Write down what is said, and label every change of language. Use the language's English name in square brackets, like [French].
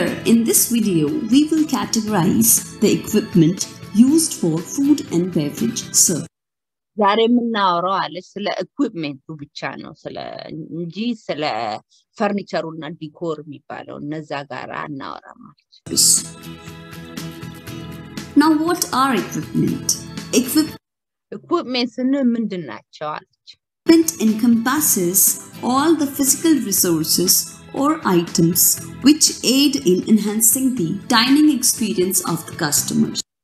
[English] In this video, we will categorize the equipment used for food and beverage service. [Amharic] ዛሬ የምናወራው አለች ስለ ኢኩዊፕመንቱ ብቻ ነው እንጂ ስለ ፈርኒቸሩ እና ዲኮር የሚባለው እነዛ ጋር አናወራም አለች። [English] Now, what are equipment? [Amharic] Equipment ስንል ምንድን ናቸው አለች? [English] Equipment encompasses all the physical resources or items which aid in enhancing the dining experience of the customers.